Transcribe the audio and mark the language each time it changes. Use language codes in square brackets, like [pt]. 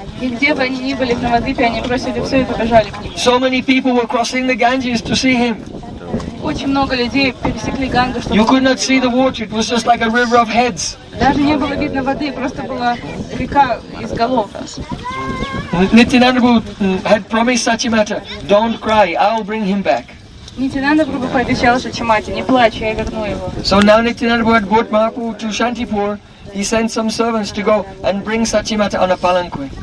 [ru] И где бы они ни были в Навадвипе, они бросили все и побежали к нему. [en] So many people were crossing the Ganges to see him. [ru] Очень много людей пересекли Гангу, чтобы. [en] You could not see the water; it was just like a river of heads. [ru] Даже не было видно воды, просто была река из голов. [en] Nityananda Prabhu had promised Satyamata, "Don't cry, I'll bring him back." [ru] Nityananda Prabhu пообещал Сатимате, не плачь, я верну его. [en] So now Nityananda Prabhu had brought Mahaprabhu to Shantipur. He sent some servants to go and bring Satyamata on a palanquin.